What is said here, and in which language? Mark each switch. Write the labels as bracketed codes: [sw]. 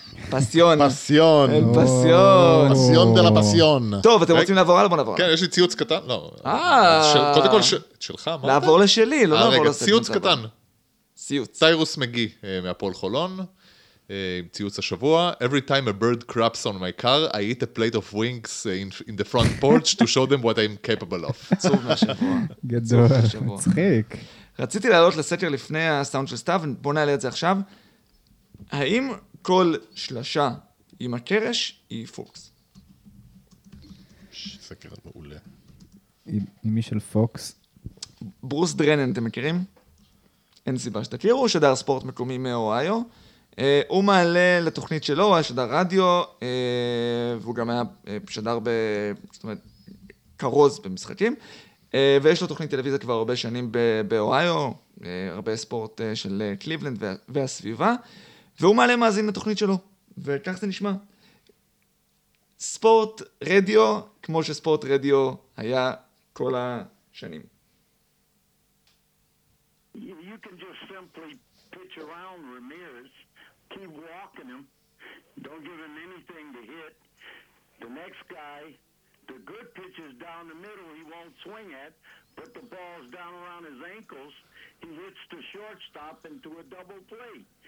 [he] פסיון. פסיון. פסיון. פסיון דה לפסיון. טוב, אתם רוצים לעבור הלאה? בוא נעבור. כן, יש לי ציוץ קטן. לא. קודם כל, שלך, מה אתה? לעבור לשלי, לא לעבור לסת. רגע, ציוץ קטן. ציוץ. טיירוס מגי מהפול חולון, עם ציוץ השבוע. [en] Every time a bird craps on my car, I eat a plate of wings in the front porch to show them what I'm capable of. [he] עצוב מהשבוע. גדול. מצחיק. רציתי לעלות לסקר לפני הסאונד של סתיו, בוא נעלה את זה עכשיו. האם כל שלשה עם הקרש היא פוקס. סקר מעולה. עם מי של פוקס? ברוס דרנן, אתם מכירים? אין סיבה שתכירו, הוא שדר ספורט מקומי מאוהיו. הוא מעלה לתוכנית שלו, הוא היה שדר רדיו, והוא גם היה שדר בקרוז במשחקים. ויש לו תוכנית טלוויזיה כבר הרבה שנים באוהיו, הרבה ספורט של קליבלנד והסביבה. והוא מעלה מאזין לתוכנית שלו, וכך זה נשמע. ספורט רדיו, כמו שספורט רדיו היה כל השנים. [en] You can just simply pitch around Ramirez, keep walking him, don't give him anything to hit. The next guy, the good pitch is down the middle, he won't swing at, but the ball's down around his ankles, he hits the shortstop into a double play.